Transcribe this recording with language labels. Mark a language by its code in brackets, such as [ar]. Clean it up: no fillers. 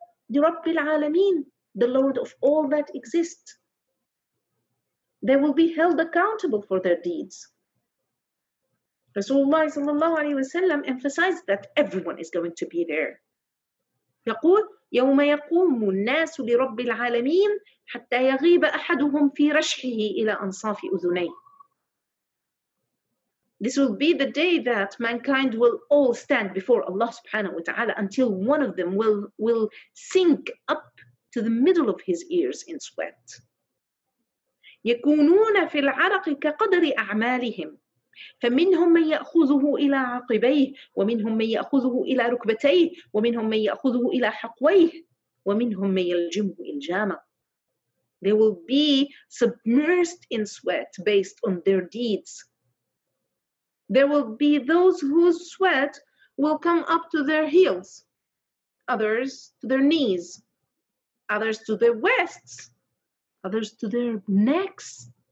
[en] The Rabbil Alameen, the Lord of all that exists. They will be held accountable for their deeds. [ar] Rasulullah sallallahu alayhi wa sallam [en] emphasized that everyone is going to be there. [ar] يقول يوم يقوم الناس لرب العالمين حتى يغيب أحدهم في رشحه إلى أنصاف أذني. [en] This will be the day that mankind will all stand before Allah [ar] subhanahu wa ta'ala [en] until one of them will sink up to the middle of his ears in sweat. [ar] يكونون في العرق كقدر أعمالهم فمنهم من يأخذه إلى عقبيه ومنهم من يأخذه إلى ركبتيه ومنهم من يأخذه إلى حقويه ومنهم من يلجمه الجامع. [en] They will be submersed in sweat based on their deeds. There will be those whose sweat will come up to their heels, others to their knees, others to their waists, others to their necks.